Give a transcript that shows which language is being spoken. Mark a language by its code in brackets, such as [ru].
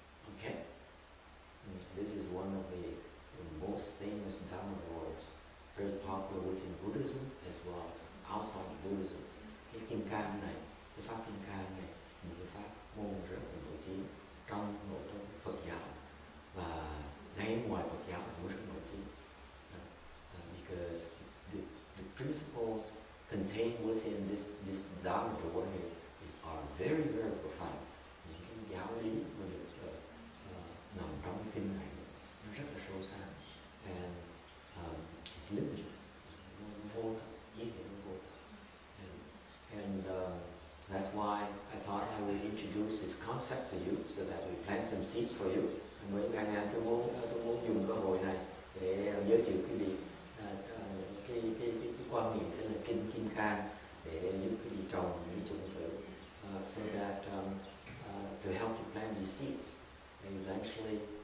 [en] Okay, this is one of the most famous Dhamma words, very popular within Buddhism as well as outside Buddhism. [vi] Cái kim cang này, cái pháp kim cang này, một cái pháp môn rất là nổi tiếng trong nội tông Phật giáo và ngay ngoài Phật giáo cũng rất nổi tiếng. [en] Because the principles contained within this Dhamma door here is are very very profound. [vi] Những cái giáo lý mà được nằm trong cái kinh này nó rất là sâu xa, [en] and it's limitless, [vi] vô tận, ý nghĩa nó vô tận. [en] And that's why I thought I would introduce this concept to you so that we plant some seeds for you. [vi] Mới ngày nay tôi muốn dùng cơ hội này để giới thiệu quý vị cái quan niệm đó là kinh Kim Cang để giúp cái gì trồng những chủng tử, [en] so that to help you plant these seeds and eventually